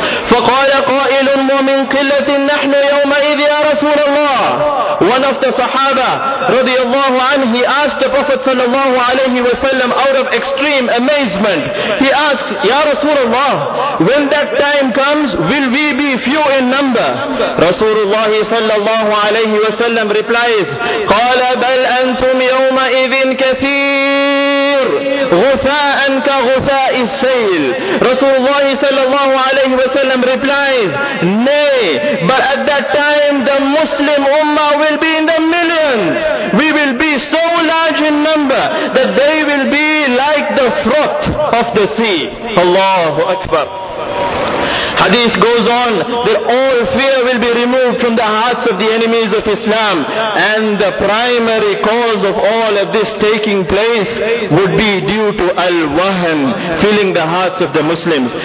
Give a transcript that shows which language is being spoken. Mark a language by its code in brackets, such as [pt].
[ar] فَقَالَ قَائِلٌ وَمِنْ قِلَّةٍ نَحْنُ يَوْمَئِذٍ يَا رَسُولَ اللَّهِ. [en] One of the Sahaba رضي الله عنه, he asked the Prophet صلى الله عليه وسلم out of extreme amazement. He asked, Ya Rasulullah, when that time comes, will we be few in number? Rasulullah صلى الله عليه وسلم replies, [ar] قَالَ بَلْ أَنْتُمْ يَوْمَئِذٍ كَثِيرٌ غُثَاءً كَغُثَاءِ السَّيْلِ. [en] Rasulullah صلى الله عليه وسلم replies, nay, but at that time the Muslim Ummah will be in the millions. We will be so large in number that they will be like the froth of the sea. Allahu Akbar. Hadith goes on that all fear will be removed from the hearts of the enemies of Islam, and the primary cause of all of this taking place would be due to al-wahm filling the hearts of the Muslims.